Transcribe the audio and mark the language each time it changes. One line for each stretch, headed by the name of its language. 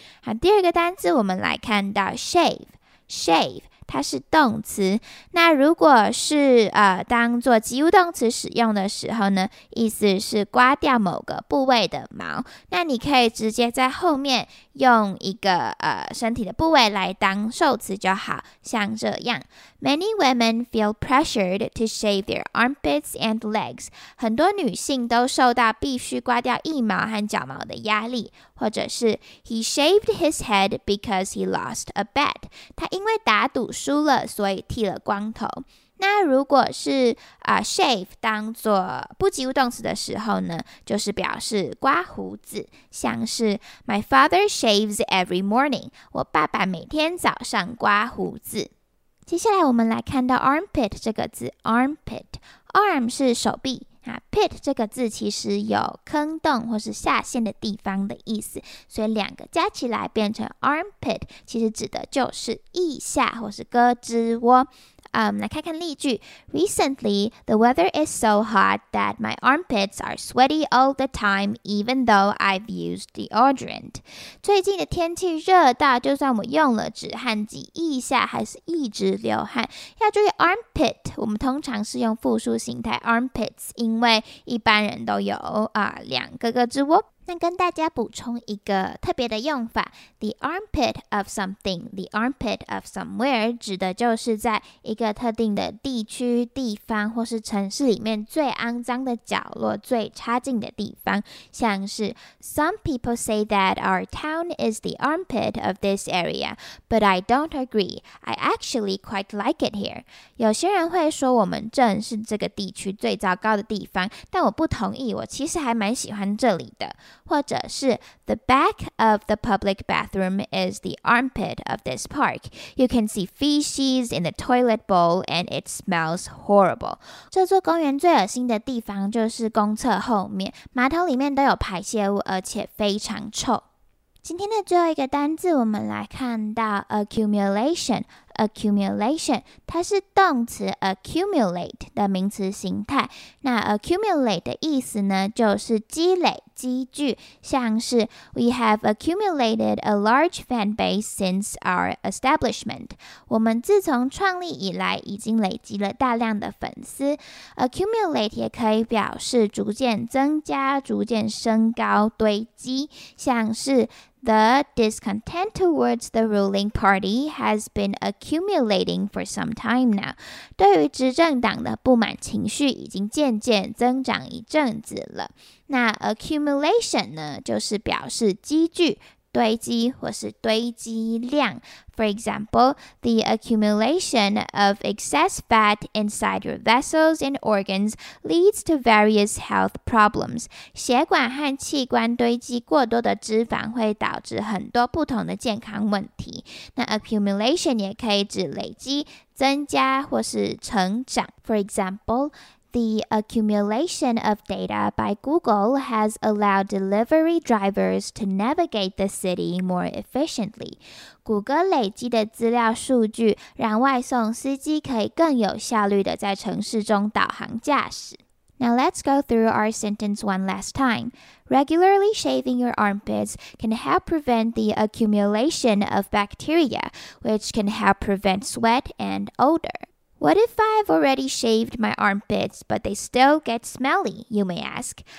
Chinese: 好，第二个单字我们来看到 shave,它是动词，那如果是当做及物动词使用的时候呢，意思是刮掉某个部位的毛，那你可以直接在后面用一个身体的部位来当受词就好，像这样。
English: Many women feel pressured to shave their armpits and legs.
Chinese: 很多女性都受到必须刮掉腋毛和脚毛的压力，或者是
English: He shaved his head because he lost a bet.
Chinese: 他因为打赌输了，所以剃了光头。那如果是shave 当作不及物动词的时候呢，就是表示刮胡子，像是
English: My father shaves every morning，
Chinese: 我爸爸每天早上刮胡子。接下来我们来看到 armpit 这个字， armpit， arm 是手臂，那 pit 这个字其实有坑洞或是下陷的地方的意思，所以两个加起来变成 armpit， 其实指的就是腋下或是胳肢窝。来看看例句。
English: Recently, the weather is so hot that my armpits are sweaty all the time, even though I've used deodorant.
Chinese: 最近的天气热到，就算我用了止汗剂，腋下还是一直流汗。要注意 armpit， 我们通常是用复数形态 armpits， 因为一般人都有两个胳肢窝。那跟大家补充一个特别的用法，
English: The armpit of something， The armpit of somewhere
Chinese: 指的就是在一个特定的地区、地方或是城市里面最肮脏的角落、最差劲的地方。像是
English: Some people say that our town is the armpit of this area, but I don't agree. I actually quite like it here.
Chinese: 有些人会说我们镇是这个地区最糟糕的地方，但我不同意，我其实还蛮喜欢这里的。或者是
English: The back of the public bathroom is the armpit of this park. You can see feces in the toilet bowl and it smells horrible.
Chinese: 这座公园最恶心的地方就是公厕后面，马桶里面都有排泄物，而且非常臭。今天的最后一个单字，我们来看到 accumulation。 Accumulation， 它是动词 accumulate 的名词形态。那 accumulate 的意思呢，就是积累、积聚。
English: 像是 We have accumulated a large fan base since our establishment。
Chinese: 我们自从创立以来，已经累积了大量的粉丝。 Accumulate 也可以表示逐渐增加、逐渐升高、堆积。
English: 像是The discontent towards the ruling party has been accumulating for some time now.
Chinese: 对于执政党的不满情绪已经渐渐增长一阵子了。那 accumulation 呢，就是表示积聚、堆积或是堆积量。
English: For example, the accumulation of excess fat inside your vessels and organs leads to various health problems.
Chinese: 血管和器官堆积过多的脂肪会导致很多不同的健康问题。那 accumulation 也可以指累积、增加或是成长。
English: For example,The accumulation of data by Google has allowed delivery drivers to navigate the city more efficiently.
Chinese: 谷歌累积的资料数据让外送司机可以更有效率地在城市中导航驾驶。
English: Now let's go through our sentence one last time. Regularly shaving your armpits can help prevent the accumulation of bacteria, which can help prevent sweat and odor. What if I've already shaved my armpits, but they still get smelly, you may ask?